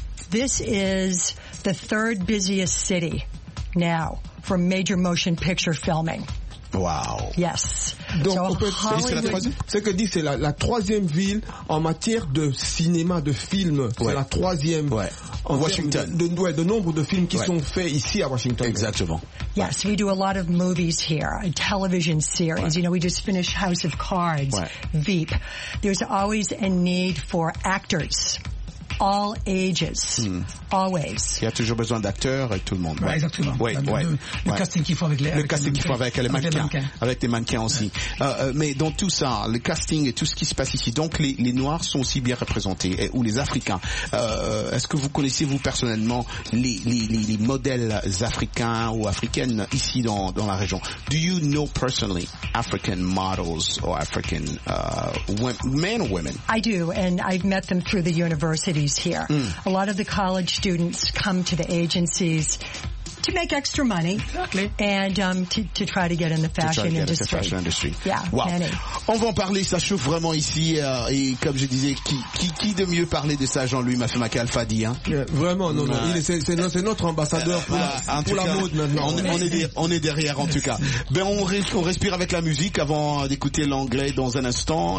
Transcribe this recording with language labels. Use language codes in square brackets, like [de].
[en] This is the third busiest city now for major motion picture filming. Wow. Yes. [fr] Donc, so, c'est la troisième ville en matière de cinéma, de films. Ouais. C'est la troisième. Ouais. En Washington. De nombre de films qui sont faits ici à Washington. Exactement. [en] Yes, we do a lot of movies here, a television series. Ouais. You know, we just finished House of Cards, Veep. There's always a need for actors. All ages, always. [fr] Il y a toujours besoin d'acteurs et tout le monde. Ouais, exactement. Oui, exactement. Le casting qu'il faut avec les mannequins. Avec les mannequins aussi. Ouais. Mais dans tout ça, le casting et tout ce qui se passe ici, donc les Noirs sont aussi bien représentés, ou les Africains. Est-ce que vous connaissez, vous, personnellement, les modèles africains ou africaines ici dans la région? [en] Do you know personally African models or African men or women? I do, and I've met them through the university. Cities here. Mm. A lot of the college students come to the agencies to make extra money and to try to get in the fashion industry. The fashion industry. Yeah, wow. Many. [fr] On va en parler, ça chauffe vraiment ici. Et comme je disais, qui de mieux parler de ça, Jean-Louis Mafemaka Alpha Di, hein? Yeah, vraiment, non. C'est notre ambassadeur pour la mode maintenant. On est derrière, en tout cas. Ben, on respire avec la musique avant d'écouter l'anglais dans un instant.